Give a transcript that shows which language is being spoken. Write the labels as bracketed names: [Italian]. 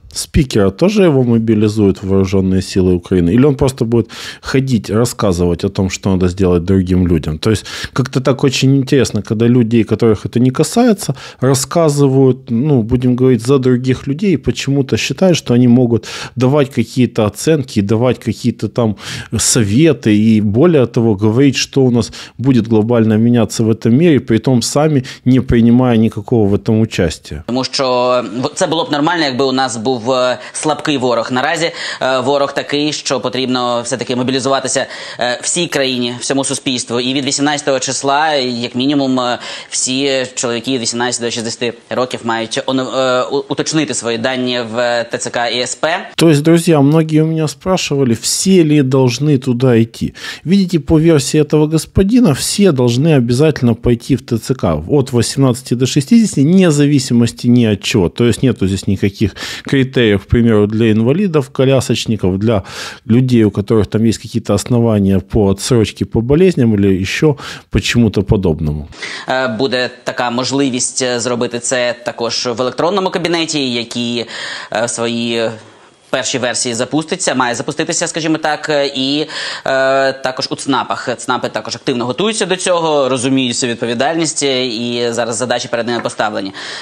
[Ukrainian] Спікера теж його мобілізують в вооруженные сили України? Или він просто буде ходити, розказувати о том, що треба зробити другим людям? [Russian] Тобто, як-то так очень интересно, коли людей, которых это не касается, розказують, ну, будем говорить, за других людей, почему-то считают, что они могут давать какие-то оценки, давать какие-то там советы и более того, говорить, что у нас будет глобально меняться в этом мире, при том сами не принимая никакого в этом участия. [Ukrainian] Тому що це було б нормально, якби у нас був в слабкий ворог. Наразі ворог такий, що потрібно все-таки мобілізуватися всій країні, всьому суспільству. І від 18 числа, як мінімум, всі чоловіки 18 до 60 років мають уточнити свої дані в ТЦК і СП. [Russian] Тобто, друзі, многие у мене спрашували, всі ли должны туда йти. Видите, по версії этого господина, всі должны обязательно пойти в ТЦК от 18 до 60, не зависимости ні от чого. Тобто, нету здесь никаких критерій. К примеру, для инвалидов, колясочников, для людей, у которых там есть какие-то основания по отсрочке по болезням или еще почему-то подобному. [Ukrainian] Буде така можливість зробити це також в електронному кабінеті, які свої перші версії запуститься, має запуститися, скажімо так, і також у ЦНАПах. ЦНАПи також активно готуються до цього, розуміють свою відповідальність і зараз задачі перед ними поставлені.